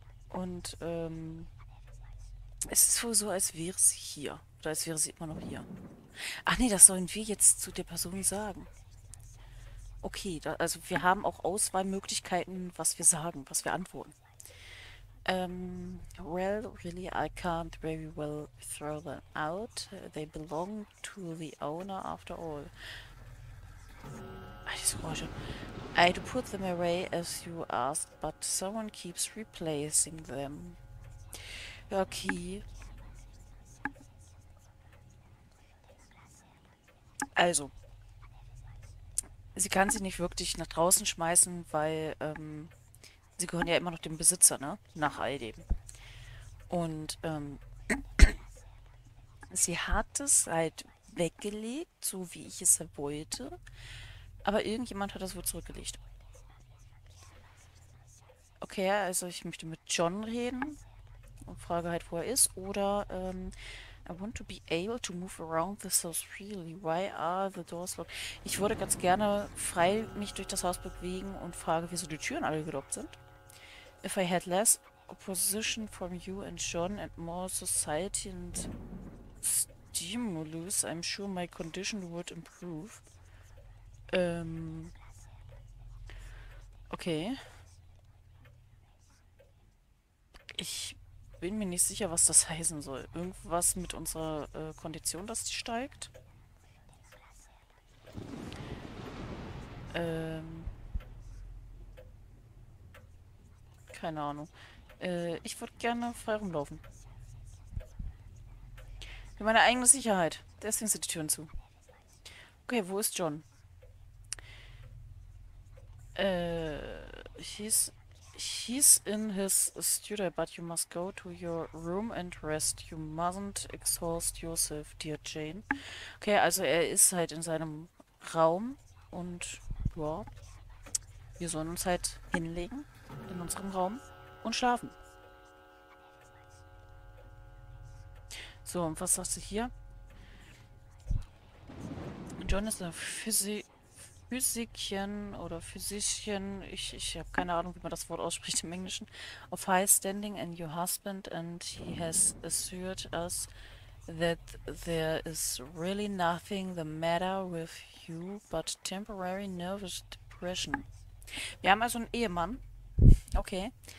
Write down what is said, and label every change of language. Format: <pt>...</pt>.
<de>Und es ist wohl so, als wäre sie hier. Oder als wäre sie immer noch hier. Ach nee, das sollen wir jetzt zu der Person sagen. Okay, da, also wir haben auch Auswahlmöglichkeiten, was wir sagen, was wir antworten.</de> <en>Well, really, I can't very well throw them out. They belong to the owner after all.</en> <de>Diese Geräusche.</de> <en>I'd put them away as you asked, but someone keeps replacing them.</en> <de>Okay. Also. Sie kann sie nicht wirklich nach draußen schmeißen, weil sie gehören ja immer noch dem Besitzer, ne? Nach all dem. Und sie hat es halt weggelegt, so wie ich es wollte. Aber irgendjemand hat das wohl zurückgelegt. Okay, also ich möchte mit John reden und frage halt, wo er ist.</de> <en>Oder I want to be able to move around this house freely. Why are the doors locked?</en> <de>Ich würde ganz gerne frei mich durch das Haus bewegen und frage, wieso die Türen alle gelockt sind.</de> <en>If I had less opposition from you and John and more society and stimulus, I'm sure my condition would improve.</en> <de>Okay. Ich bin mir nicht sicher, was das heißen soll. Irgendwas mit unserer Kondition, dass die steigt? Keine Ahnung. Ich würde gerne frei rumlaufen. Für meine eigene Sicherheit. Deswegen sind die Türen zu. Okay, wo ist John? He's in his studio, but you must go to your room and rest. You mustn't exhaust yourself, dear Jane. Okay, also er ist halt in seinem Raum und ja, wir sollen uns halt hinlegen in unserem Raum und schlafen. So, und was sagst du hier? John ist ein Physikchen oder Physischchen, ich habe keine Ahnung, wie man das Wort ausspricht im Englischen.</de> <en>Of high standing and your husband, and he has assured us that there is really nothing the matter with you but temporary nervous depression.</en> <de>Wir haben also einen Ehemann. Okay.</de>